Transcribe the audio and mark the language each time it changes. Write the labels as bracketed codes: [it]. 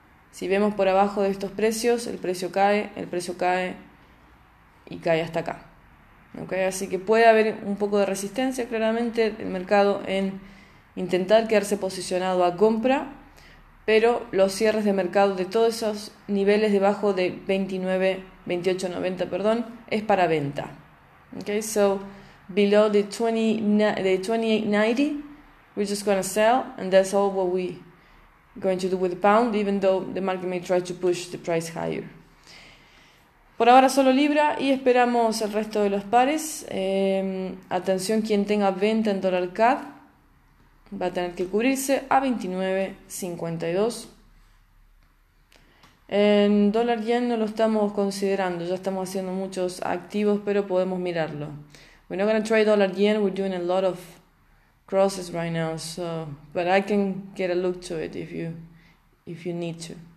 [es] Si vemos por abajo de estos precios, el precio cae y cae hasta acá. Okay. Así que puede haber un poco de resistencia claramente el mercado en intentar quedarse posicionado a compra, pero los cierres de mercado de todos esos niveles debajo de 29, 28, 90, perdón, es para venta. [en] Okay, so below the 2890, we're just gonna sell, and that's all what we going to do with the pound, even though the market may try to push the price higher. [es] Por ahora solo libra y esperamos el resto de los pares. Atención, quien tenga venta en dólar CAD va a tener que cubrirse a 29.52. En dólar yen no lo estamos considerando, ya estamos haciendo muchos activos, pero podemos mirarlo. [en] We're not going to trade dollar yen, we're doing a lot of crosses right now, so but I can get a look to it if you need to.